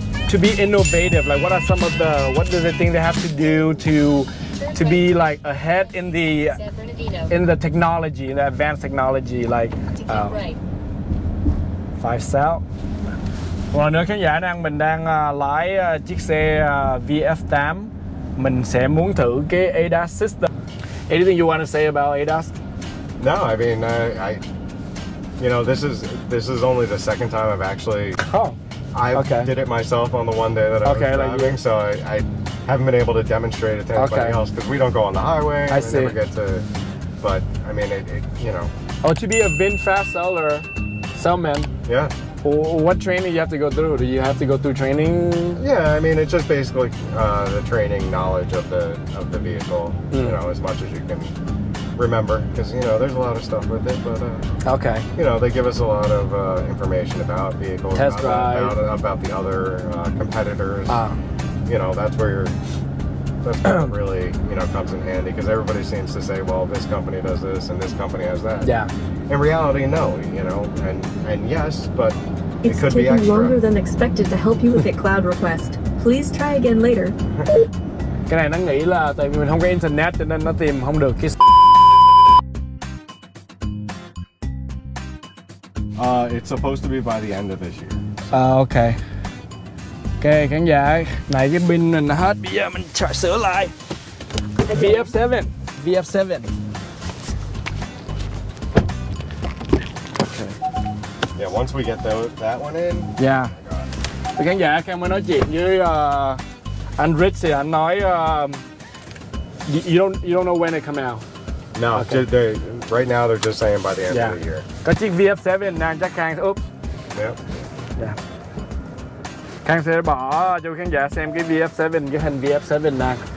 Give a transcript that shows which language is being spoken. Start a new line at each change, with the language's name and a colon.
English: To be innovative, like what are some of the, what do they think they have to do to be like ahead in the technology, in the advanced technology, like five cell.
Vietnamese: Và nếu khán giả đang mình đang lái chiếc xe VF8, mình sẽ muốn thử cái ADAS system.
English: Anything you want to say about ADAS? No, I mean, I you know, this is only the second time I've actually did it myself on the one day that I was driving, like, so I haven't been able to demonstrate it to anybody else because we don't go on the highway. I see. Never get to, but I mean, it you know. Oh, to be a VinFast seller, salesman. Yeah. What training you have to go through? Do you have to go through training? Yeah, I mean, it's just basically the training knowledge of the vehicle, you know, as much as you can remember, because, you know, there's a lot of stuff with it, but you know, they give us a lot of information about vehicles, test drive, about the other competitors. You know, that's where really, you know, comes in handy, because everybody seems to say, well, this company does this and this company has that. Yeah. In reality, no, you know, and yes, but it could be extra. It's taking longer than expected to help you with a cloud request. Please try again later.
Vietnamese: Cái này nó nghĩ là tại vì mình không có internet cho nên nó tìm không được cái.
English: It's supposed to be by the end of this year. Okay.
Vietnamese: Okay, khán giả, này cái pin mình nó hết. Bây giờ mình chạy sửa lại.
English: VF7. VF7. Okay. Yeah, once we get that one in. Yeah.
Vietnamese: Thì khán giả, khi mới nói chuyện với anh Rich thì anh nói
English: you don't know when it come out. No, okay. Right now they're just saying by the end of the year.
Vietnamese: Có chiếc VF7 nè, chắc Khang, oops.
English: Yep. Yeah.
Vietnamese: Khang sẽ bỏ cho khán giả xem cái VF7, cái hình VF7 nè.